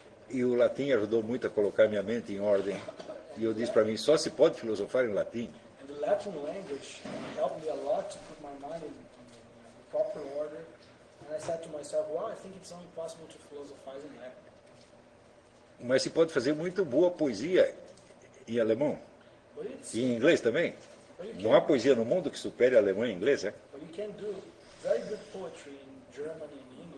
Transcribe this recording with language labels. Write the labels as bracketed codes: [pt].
[pt] E o latim ajudou muito a colocar minha mente em ordem. E eu disse para mim, só se pode filosofar em latim. [en] And the Latin language helped me a lot to put my mind in proper order. And I said to myself, well, I think it's only possible to philosophize in Latin. [pt] Mas se pode fazer muito boa poesia em alemão. E em inglês também. Não há poesia no mundo que supere alemão e inglês, é? [en] But you can do very good poetry in Germany.